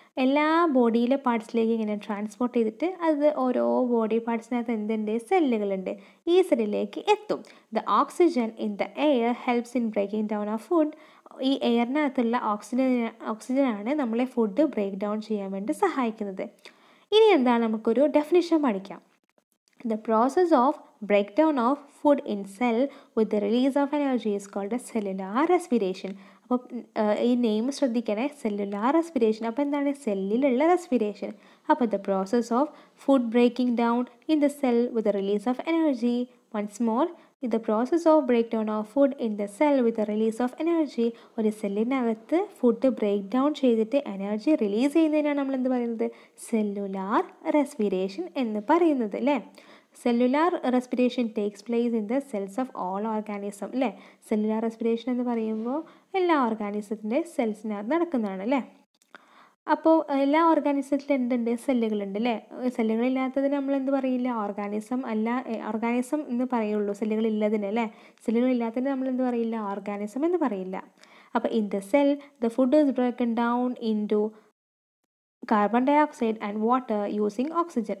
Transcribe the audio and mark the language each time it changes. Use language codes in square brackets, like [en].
[ml] എല്ലാ ബോഡിയിലെ പാർട്സിലേക്ക് ഇങ്ങനെ ട്രാൻസ്പോർട്ട് ചെയ്തിട്ട് അത് ഓരോ ബോഡി പാർട്സിനകത്ത് എന്തുണ്ട്? സെല്ലുകളുണ്ട്. ഈ സെല്ലിലേക്ക് എത്തും. [en] The oxygen in the air helps in breaking down of food. [ml] ഈ എയറിനകത്തുള്ള ഓക്സിജനാണ് നമ്മളെ ഫുഡ് ബ്രേക്ക് ഡൗൺ ചെയ്യാൻ വേണ്ടി സഹായിക്കുന്നത്. ഇനി എന്താണ്, നമുക്കൊരു ഡെഫിനിഷൻ പഠിക്കാം. [en] The process of breakdown of food in cell with the release of energy is called a cellular respiration. [ml] അപ്പോൾ ഈ നെയിം ശ്രദ്ധിക്കണേ, സെല്ലുലാർ റെസ്പിരേഷൻ. അപ്പോൾ എന്താണ് സെല്ലിലുള്ള റെസ്പിരേഷൻ? അപ്പോൾ [en] The process of food breaking down in the cell with the release of energy. Once more, the process of break down of food in the cell with the release of energy. [ml] ഒരു സെല്ലിനകത്ത് food break down ചെയ്തിട്ട് energy release ചെയ്യുന്നതിനാണ് നമ്മൾ എന്ത് പറയുന്നത്? Cellular respiration എന്ന് പറയുന്നത്, അല്ലേ? [en] Cellular respiration takes place in the cells of all organism. [ml] അല്ലേ, സെല്ലുലാർ റെസ്പിറേഷൻ എന്ന് പറയുമ്പോൾ എല്ലാ ഓർഗാനിസത്തിൻ്റെ സെൽസിനകത്ത് നടക്കുന്നതാണ്, അല്ലേ? അപ്പോൾ എല്ലാ ഓർഗാനിസത്തിലും എന്തുണ്ട്? സെല്ലുകളുണ്ട്, അല്ലേ? സെല്ലുകളില്ലാത്തതിന് നമ്മൾ എന്ത് പറയില്ല? ഓർഗാനിസം അല്ല, ഓർഗാനിസം എന്ന് പറയുള്ളൂ സെല്ലുകളില്ലതിന്, അല്ലേ? സെല്ലുകളില്ലാത്തതിന് നമ്മൾ എന്ത് പറയില്ല? ഓർഗാനിസം എന്ന് പറയില്ല. അപ്പോൾ [en] In the cell the food is broken down into carbon dioxide and water using oxygen.